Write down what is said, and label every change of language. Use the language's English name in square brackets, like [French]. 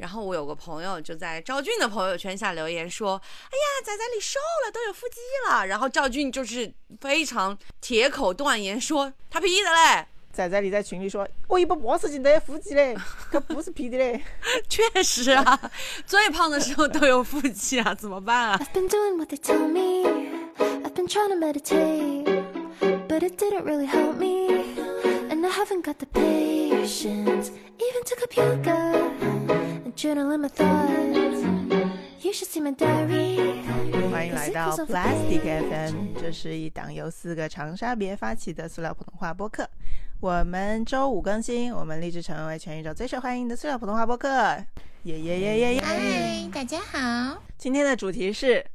[Chinese] 然后我有个朋友就在赵俊的朋友圈下留言说，哎呀，仔仔你瘦了，都有腹肌了。然后赵俊就是非常铁口断言说他屁的嘞。仔仔你在群里说，我一百八十斤都有腹肌嘞，可不是屁的嘞。确实啊，最胖的时候都有腹肌啊，怎么办啊。 [English] I've been doing what they tell me, I've been trying to meditate, but it didn't really help me, and I haven't got the patience, even took up yoga. Journaling my thoughts. You should see my diary. [Chinese] 欢迎来到 Plastic FM， 这是一档由四个长沙别发起的塑料普通话播客。我们周五更新，我们立志成为全宇宙最受欢迎的塑料普通话播客。耶耶耶耶耶！嗨，大家好。今天的主题是